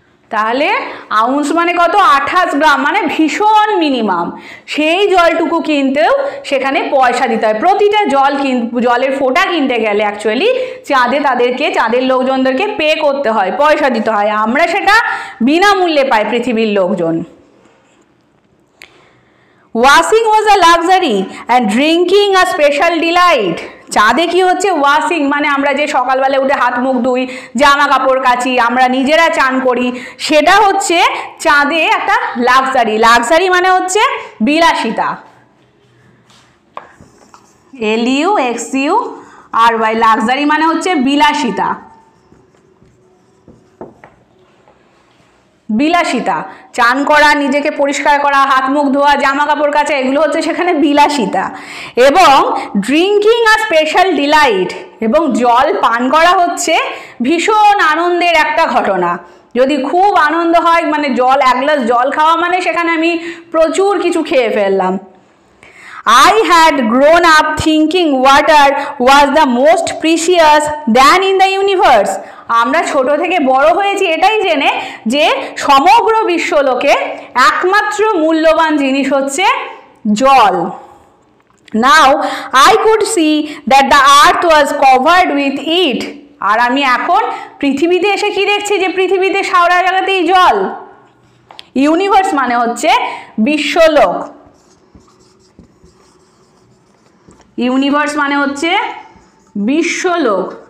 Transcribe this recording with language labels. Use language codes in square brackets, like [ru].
[bn] তাহলে আউন্স মানে কত? 28 গ্রাম, মানে ভীষণ মিনিমাম। সেই জলটুকু কিনতেও সেখানে পয়সা দিতে হয়, প্রতিটা জল জলের ফোঁটা কিনতে গেলে অ্যাকচুয়ালি চাঁদে তাদেরকে, চাঁদের লোকজনদেরকে পে করতে হয়, পয়সা দিতে হয়, আমরা সেটা বিনামূল্যে পাই পৃথিবীর লোকজন। [en] Washing was a luxury and drinking a special delight. [bn] চাঁদে কি হচ্ছে ওয়াশিং, মানে আমরা যে সকালবেলা উঠে হাত মুখ ধুই, জামা কাপড় কাচি, আমরা নিজেরা চান করি, সেটা হচ্ছে চাঁদে একটা লাক্সারি। লাক্সারি মানে হচ্ছে বিলাসিতা, এলইউ এক্স ইউ আর ওয়াই, লাক্সারি মানে হচ্ছে বিলাসিতা, বিলাসিতা। চান করা, নিজেকে পরিষ্কার করা, হাত মুখ ধোয়া, জামা কাপড় কাচা, এগুলো হচ্ছে সেখানে বিলাসিতা। এবং [en] drinking a special delight, [bn] এবং জল পান করা হচ্ছে ভীষণ আনন্দের একটা ঘটনা। যদি খুব আনন্দ হয়, মানে জল, এক গ্লাস জল খাওয়া মানে সেখানে আমি প্রচুর কিছু খেয়ে ফেললাম। [en] I had grown up thinking water was the most precious than in the universe. [bn] আমরা ছোট থেকে বড় হয়েছি এটাই জেনে যে সমগ্র বিশ্বলোকে একমাত্র মূল্যবান জিনিস হচ্ছে জল। [en] Now I could see that the earth was covered with it. [bn] আর আমি এখন পৃথিবীতে এসে কি দেখছি, যে পৃথিবীতে সারা জায়গাতেই জল। ইউনিভার্স মানে হচ্ছে বিশ্বলোক, ইউনিভার্স মানে হচ্ছে বিশ্বলোক।